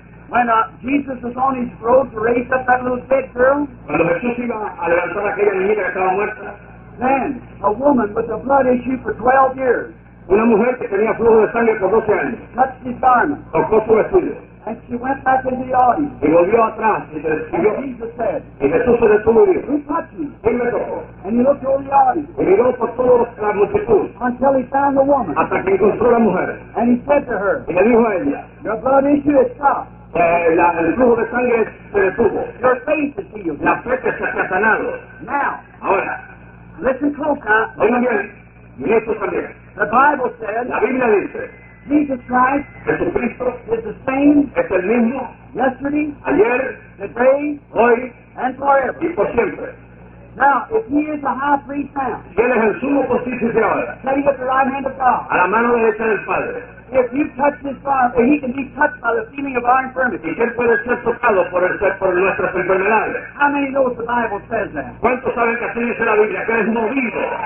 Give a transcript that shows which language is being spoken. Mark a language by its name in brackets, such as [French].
[English] When Jesus was on his road to raise up that little dead girl. [Spanish] Cuando Jesús iba a levantar a aquella niña que estaba muerta. [English] Then, a woman with a blood issue for 12 years. [Spanish] Una mujer que tenía flujo de sangre por 12 años. [English] Touched his garment. [Spanish] Tocó su vestido. [English] And she went back into the audience. [Spanish] Y volvió atrás. Y [English] Jesus said. [Spanish] Y Jesús se detuvo y dijo. [English] Who touched me? [Spanish] ¿Quién me tocó? [English] And he looked over the audience. [Spanish] Y miró por toda la multitud. [English] Until he found the woman. [Spanish] Hasta que encontró la mujer. [English] And he said to her. [Spanish] Y le dijo a ella. [English] Your blood issue has stopped. [Spanish] El flujo de sangre se detuvo. [English] Your faith is healed. [Spanish] La fe que se ha sanado. [English] Now. [Spanish] Ahora. [English] Listen close now. The Bible says. [Spanish] La Biblia dice. [English] Jesus Christ. [Spanish] Jesucristo. [English] Is the same. [Spanish] Es el mismo. [English] Yesterday. [Spanish] Ayer. [English] Today. [Spanish] Hoy. [English] And forever. [Spanish] Y por siempre. [English] Now, if he is the high priest now, [Spanish] si él es el sumo pontífice ahora, [English] the right hand of God, [Spanish] a la mano derecha del Padre, [English] if you touch this fire, he can be touched by the feeling of our infirmities. [Spanish] Y él puede ser tocado por nuestras enfermedades. [English] How many know the Bible says that? [Spanish] ¿Cuántos saben que así dice la Biblia, que es movido?